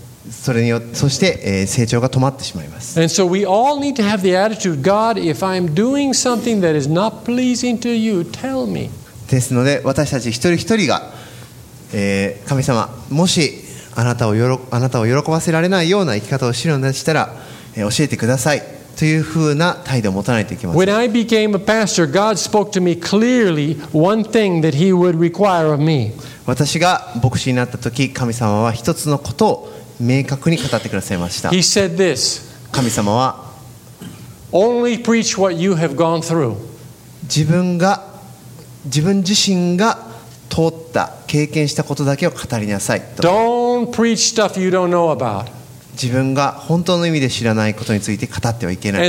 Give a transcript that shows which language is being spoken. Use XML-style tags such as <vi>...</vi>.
<ja>それによそして、成長が止まってしまいます。</ja> <en>And so we all need to have the attitude, God, if I'm doing something that is not pleasing to you, tell me.</en> <ja>ですので私たち一人一人が、神様、もしあなたを喜ばせられないような生き方をしているのでしたら、教えてください。というふうな態度を持たないといけません。</ja> <en>When I became a pastor, God spoke to me clearly one thing that he would require of me.</en> <ja>私が牧師になった時、神様は一つのことを明確に語ってくださいました。</ja> <en>He said this.</en> <ja>神様は、</ja> <en>Only preach what you have gone through.</en> <ja>自分自身が通った、経験したことだけを語りなさいと。</ja> <en>Don't preach stuff you don't know about.</en> <ja>自分が本当の意味で知らないことについて語ってはいけない。</ja>